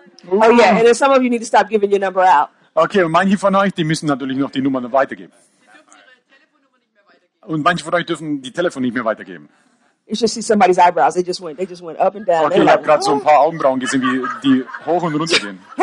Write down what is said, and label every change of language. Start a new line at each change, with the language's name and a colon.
English: Oh yeah, and then some of you need to stop giving your number out.
German: Okay, und manche von euch, die müssen natürlich noch die Nummern weitergeben. Und manche von euch dürfen die Telefon nicht mehr weitergeben.
English: You should see somebody's eyebrows. They just went up and down.
German: Okay, ich habe gerade so ein paar Augenbrauen gesehen, wie die hoch und runter gehen.